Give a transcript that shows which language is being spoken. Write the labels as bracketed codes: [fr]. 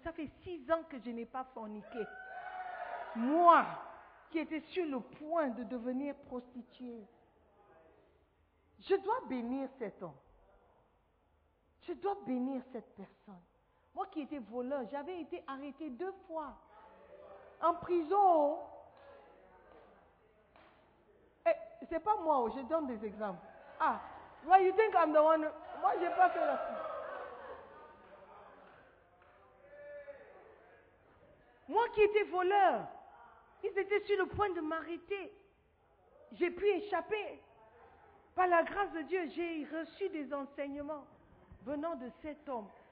[fr] Ça fait 6 ans que je n'ai pas forniqué. Moi, qui étais sur le point de devenir prostituée, je dois bénir cet homme. Je dois bénir cette personne. Moi qui étais voleur, j'avais été arrêtée 2 fois. En prison. Et c'est pas moi, je donne des exemples. [en] Ah, why you think I'm the one? [fr] Moi, j'ai pas fait la chose. Moi qui étais voleur, ils étaient sur le point de m'arrêter. J'ai pu échapper. Par la grâce de Dieu, j'ai reçu des enseignements venant de cet homme.